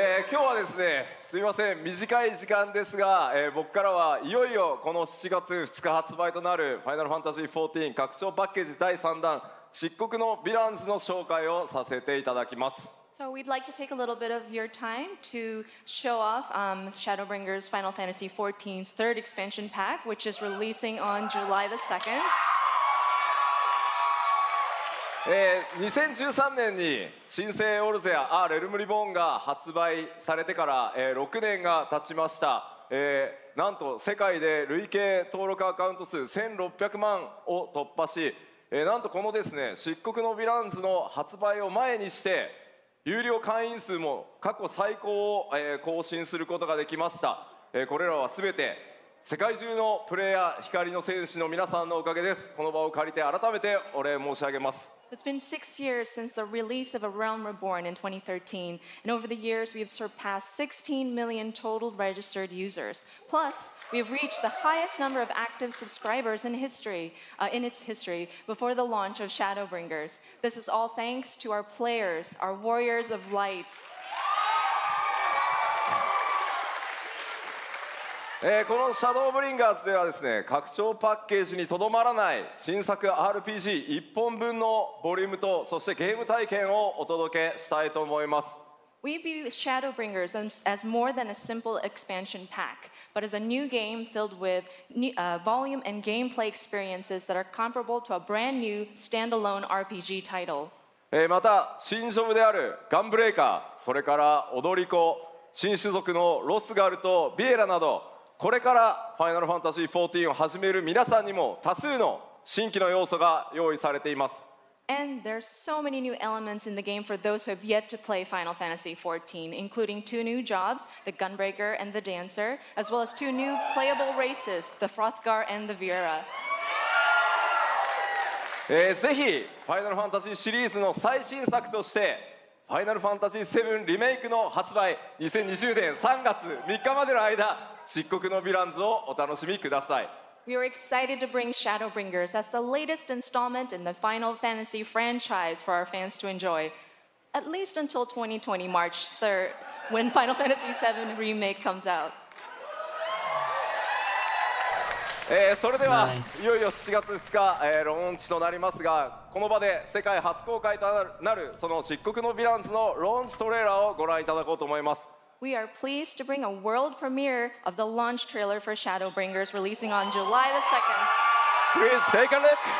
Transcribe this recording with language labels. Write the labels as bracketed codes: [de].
[ja] 今日はですね、すみません、短い時間ですが、僕からはいよいよこの7月2日発売となる Final Fantasy XIV 拡張パッケージ第3弾、漆黒のヴィランズの紹介をさせていただきます。 [en] So we'd like to take a little bit of your time to show off Shadowbringers Final Fantasy XIV's third expansion pack, which is releasing on July the 2nd. [ja] 2013年に新生オルゼア、あ、レルムリボーンが発売されてから、6年が経ちました、なんと世界で累計登録アカウント数1600万を突破し、なんとこのですね、漆黒のヴィランズの発売を前にして有料会員数も過去最高を、更新することができました、これらは全て世界中のプレイヤー、光の戦士の皆さんのおかげです。この場を借りて改めてお礼申し上げます。 [en] It's been 6 years since the release of A Realm Reborn in 2013, and over the years we have surpassed 16 million total registered users. Plus, we have reached the highest number of active subscribers in history, in its history, before the launch of Shadowbringers. This is all thanks to our players, our Warriors of Light. [ja] このシャドーブリンガーズではですね、拡張パッケージにとどまらない新作 RPG 一本分のボリュームと、そしてゲーム体験をお届けしたいと思います。 [en] We view Shadowbringers as more than a simple expansion pack, but as a new game filled with volume and gameplay experiences that are comparable to a brand new standalone RPG title. [ja] また新ジョブであるガンブレイカー、それから踊り子、新種族のロスガルとビエラなど、これからファイナルファンタジー14を始める皆さんにも多数の新規の要素が用意されています。 [en] And there are so many new elements in the game for those who have yet to play Final Fantasy 14, including two new jobs, the Gunbreaker and the Dancer, as well as two new playable races, the Frothgar and the Viera. [ja] ぜひファイナルファンタジーシリーズの最新作としてファイナルファンタジー7リメイクの発売、2020年3月3日までの間、漆黒のヴィランズをお楽しみください。 [en] We are excited to bring Shadowbringers as the latest installment in the Final Fantasy franchise for our fans to enjoy, at least until 2020 March 3rd, when Final Fantasy 7 Remake comes out. [ja] それでは、いよいよ7月2日、ローンチとなりますが、この場で世界初公開となるその漆黒のヴィランズのローンチトレーラーをご覧いただこうと思います。 [en] We are pleased to bring a world premiere of the launch trailer for Shadowbringers releasing on July the 2nd. Please take a look.